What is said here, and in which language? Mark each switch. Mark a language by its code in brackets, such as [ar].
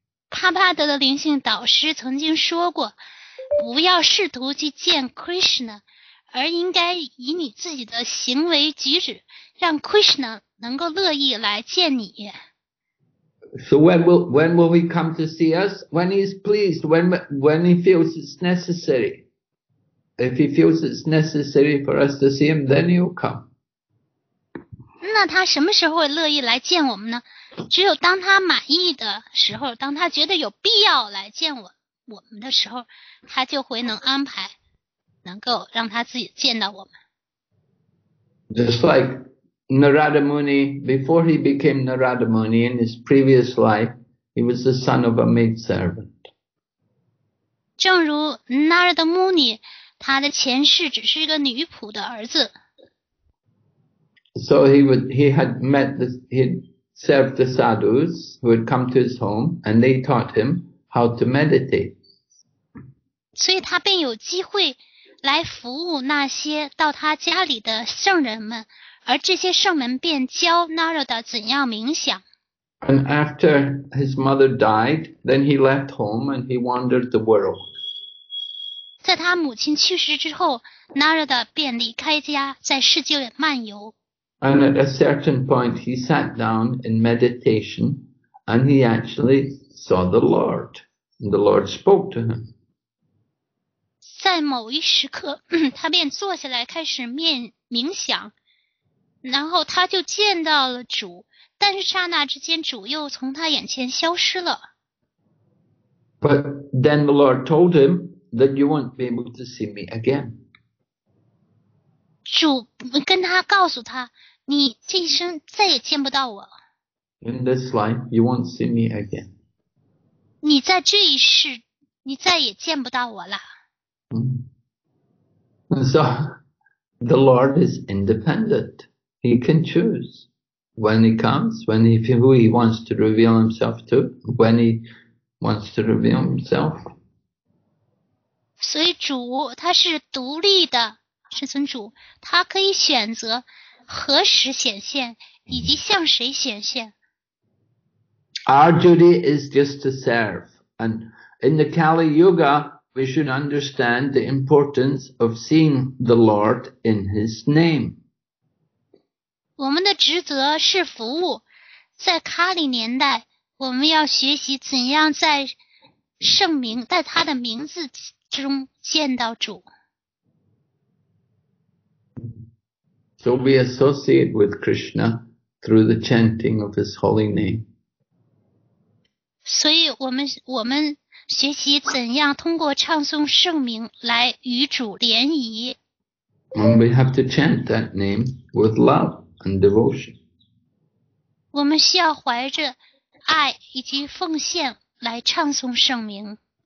[zh] 帕帕德的灵性导师曾经说过，不要试图去见 Krishna, 而应该以你自己的行为举止让 Krishna 能够乐意来见你。 [en] So when will he come to see us? When he's pleased, when he feels it's necessary. If he feels it's necessary for us to see him, then he'll come. [zh] 那他什么时候会乐意来见我们呢？只有当他满意的时候，当他觉得有必要来见我们的时候，他就会能安排，能够让他自己见到我们。 [en] Just like Narada Muni, before he became Narada Muni, in his previous life, he was the son of a maidservant. [zh] 正如 Narada Muni, 他的前世只是一个女仆的儿子。 [en] So he had served the sadhus who had come to his home, and they taught him how to meditate. [zh] 所以他便有机会来服务那些到他家里的圣人们。而这些圣门便教 Narada 怎样冥想。 [en] And after his mother died, then he left home and he wandered the world. [zh] 在他母亲去世之后， Narada 便离开家，在世界漫游。 [en] And at a certain point, he sat down in meditation and he actually saw the Lord. And the Lord spoke to him. [zh] 在某一时刻，他便坐下来开始冥想。然后他就见到了主，但是刹那之间主又从他眼前消失了。 [en] But then the Lord told him that you won't be able to see me again. [zh] 主跟他告诉他，你这一生再也见不到我了。 [en] In this life, you won't see me again. [zh] 你在这一世，你再也见不到我了。 [en] So the Lord is independent. He can choose when he comes, who he wants to reveal himself to, when he wants to reveal himself. [zh] 所以主他是独立的，是尊主，他可以选择何时显现以及向谁显现。 [en] Our duty is just to serve. And in the Kali Yuga, we should understand the importance of seeing the Lord in his name. [zh] 我们的职责是服务，在卡里年代，我们要学习怎样在圣名，在他的名字中见到主。 [en] So we associate with Krishna through the chanting of his holy name. [zh] 所以我们学习怎样通过唱诵圣名来与主联谊。 [en] And we have to chant that name with love. And devotion. [zh] 我们需要怀着爱以及奉献来唱诵圣名。